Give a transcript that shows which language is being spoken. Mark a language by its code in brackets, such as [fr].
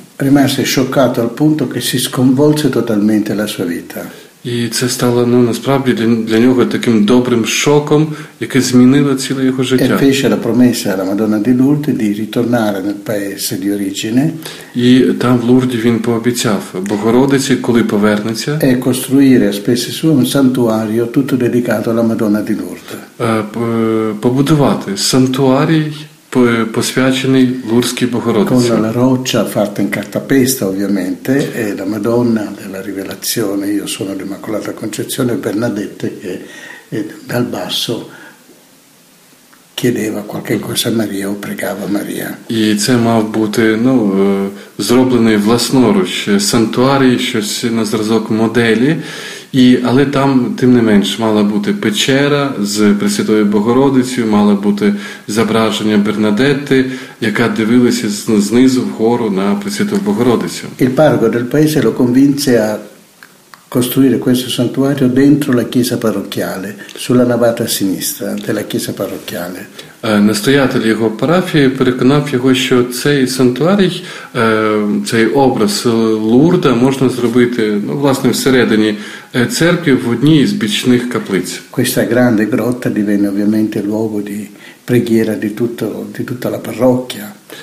[it] Rimase scioccato al punto che si sconvolse totalmente la sua vita. [uk] І це стало, ну, насправді для нього таким добрим шоком, яке змінило ціле його життя. [it] E fece la promessa alla Madonna di Lourdes di ritornare nel paese di origine. [uk] І там в Лурді він пообіцяв Богородиці, коли повернеться, [it] e costruire a spese sue un santuario tutto dedicato alla Madonna di Lourdes. [uk] Побудувати сантуарій, посвячений Лурдській Богородиці. [it] Con la roccia fatta in cartapesta, ovviamente, e la Madonna della Rivelazione, io sono l'Immacolata Concezione, Bernadette, che dal basso chiedeva qualche cosa a Maria o pregava Maria. [uk] І це мав бути, ну, зроблений власноруч сантуарій, щось на зразок моделі, але там, тим не менш, мала бути печера з Пресвятою Богородицею, мала бути зображення Бернадетти, яка дивилася знизу вгору на Пресвяту Богородицю. [it] Il parroco del paese lo convinse a costruire questo santuario dentro la chiesa parrocchiale, sulla navata sinistra della chiesa parrocchiale. [uk] Настоятель його парафії переконав його, що цей сантуарій, цей образ Лурда можна зробити, ну, власне, всередині церкви в одній з бічних каплиць. [it] Questa grande grotta divenne ovviamente luogo di preghiera di tutta la parrocchia.